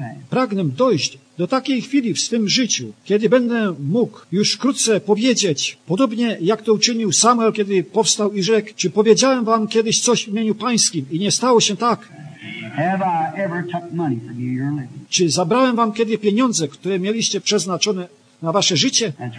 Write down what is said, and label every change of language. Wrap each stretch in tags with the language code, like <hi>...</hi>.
<pl>Pragnę dojść do takiej chwili w swym życiu, kiedy będę mógł już wkrótce powiedzieć, podobnie jak to uczynił Samuel, kiedy powstał i rzekł: czy powiedziałem wam kiedyś coś w imieniu Pańskim i nie stało się tak?</pl> <en>Have I ever took money from you, your living?</en> <pl>Czy zabrałem wam kiedy pieniądze, które mieliście przeznaczone na wasze życie?</pl>